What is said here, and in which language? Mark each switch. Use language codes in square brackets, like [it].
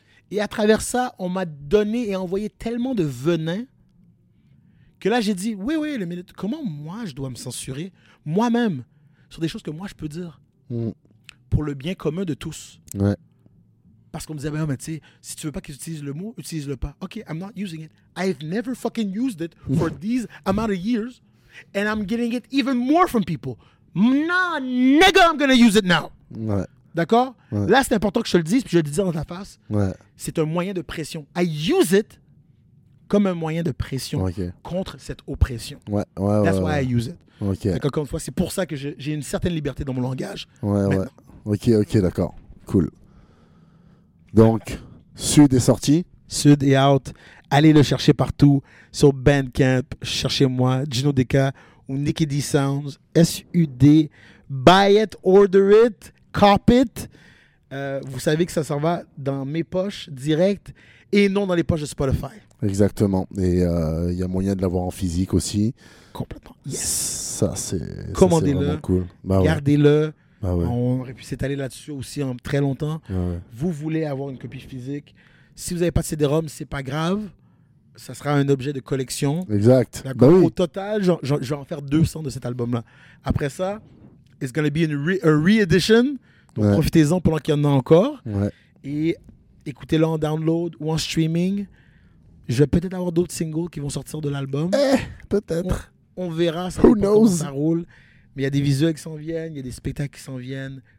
[fr] Et à travers ça, on m'a donné et envoyé tellement de venin que là, j'ai dit, oui, le minute, comment moi, je dois me censurer moi-même sur des choses que moi, je peux dire pour le bien commun de tous. Ouais. Parce qu'on me disait, ben, mais tu sais, si tu veux pas qu'ils utilisent le mot, utilise-le pas. [en] OK, I'm not using it. I've never fucking used it for these amount of years and I'm getting it even more from people. Non, nigga, I'm gonna use it now. [fr] Ouais. D'accord? Ouais. Là, c'est important que je te le dise, puis je vais le dire dans ta face. Ouais. C'est un moyen de pression. [en] I use it [fr] comme un moyen de pression contre cette oppression. [en] That's why I use it. Okay. [fr] D'accord, encore une fois, c'est pour ça que j'ai une certaine liberté dans mon langage. Ok, d'accord. Cool. Donc, Sud est sorti. Sud est out. Allez le chercher partout. Sur Bandcamp, cherchez-moi, Gino Deca. [en] Ou Nicky D Sounds, S-U-D, buy it, order it, cop it. [fr] Vous savez que ça s'en va dans mes poches direct et non dans les poches de Spotify. Exactement. Et il y a moyen de l'avoir en physique aussi. Complètement. Yes. Ça, c'est, commandez-le, ça, c'est vraiment cool. Bah ouais. Gardez-le. Bah ouais. On aurait pu s'étaler là-dessus aussi en très longtemps. Bah ouais. Vous voulez avoir une copie physique. Si vous n'avez pas de CD-ROM, ce n'est pas grave. Ça sera un objet de collection. Exact. Ben oui. Au total, je vais en faire 200 de cet album-là. Après ça, [en] it's going to be a re-edition. [fr] Donc, profitez-en pendant qu'il y en a encore. Ouais. Et écoutez-le en download ou en streaming. Je vais peut-être avoir d'autres singles qui vont sortir de l'album. Peut-être. On verra. Ça [en] Who knows? [fr] Ça roule. Mais il y a des visuels qui s'en viennent. Il y a des spectacles qui s'en viennent.